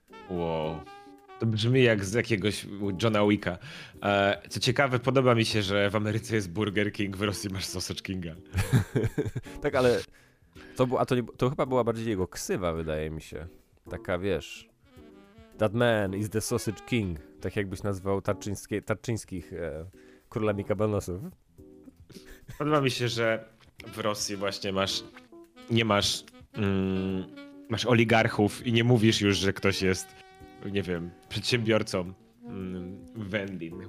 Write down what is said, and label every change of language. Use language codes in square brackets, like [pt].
[pl] Wow. To brzmi jak z jakiegoś Johna Wicka. Co ciekawe, podoba mi się, że w Ameryce jest Burger King, w Rosji masz Sausage Kinga. Tak, ale to chyba była bardziej jego ksywa, wydaje mi się. Taka, wiesz... [en] That man is the Sausage King. [pl] Tak jakbyś nazwał tarczyńskich królami kabanosów. Podoba mi się, że w Rosji właśnie masz... Nie masz... masz oligarchów i nie mówisz już, że ktoś jest, nie wiem, przedsiębiorcą Wendlin.